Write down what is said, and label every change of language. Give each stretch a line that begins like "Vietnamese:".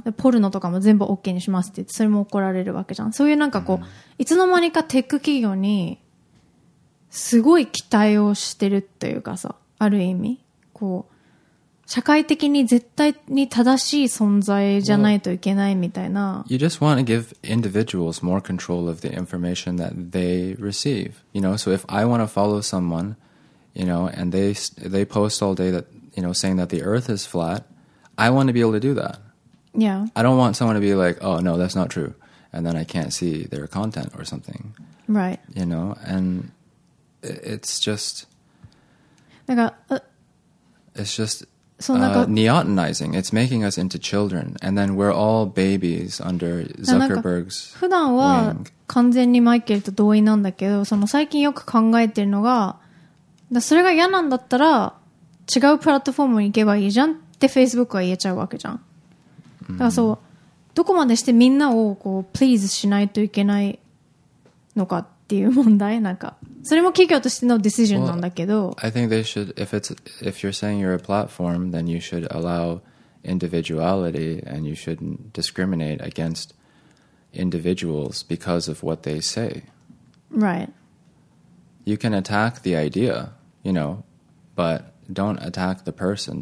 Japanese: でポルノとかも全部 OK にしますって言って、それも怒られるわけじゃん。そういうなんかこう、いつの間にかテック企業にすごい期待をしてるというかさ、ある意味こう社会的に絶対に正しい存在じゃないといけないみたいな。
English: Well, you just want to give individuals more control of the information that they receive. You know, so if I want to follow someone, you know, and they post all day that, you know, saying that the earth is flat, I want to be able to do that. Yeah. I don't want someone to be like, oh, no, that's not true. And then I can't see their content or something. Right. You know, and it's just... It's just... neotenizing. It's making us into children, and then we're all babies under Zuckerberg's wing.
Japanese: 普段は完全にマイケルと同意なんだけど、その最近よく考えてるのが、だそれが嫌なんだったら違うプラットフォームに行けばいいじゃんって Facebook は言えちゃうわけじゃん。だからそう、どこまでしてみんなをこうプリーズしないといけないのかっていう問題、なんか。それも企業としてのディシジョンなんだけど。
English: Well, I think they should, if you're saying you're a platform, then you should allow individuality and you shouldn't discriminate against individuals because of what they say. Right. You can attack the idea, you know, but don't attack the person.